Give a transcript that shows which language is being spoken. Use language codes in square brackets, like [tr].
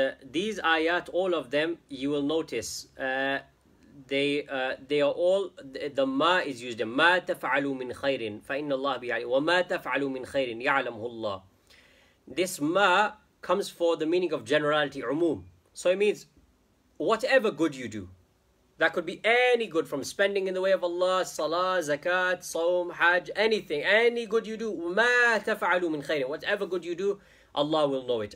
[en] These ayat, all of them, you will notice, they are all, the ma is used. [ar] ما تفعلوا من خير فإن الله بيعلم وما تفعلوا من خير يعلمه الله. [en] This ma comes for the meaning of generality, umum. So it means, whatever good you do, that could be any good, from spending in the way of Allah, salah, zakat, sawm, hajj, anything. Any good you do, [ar] ما تفعلوا من خير. [en] Whatever good you do, Allah will know it.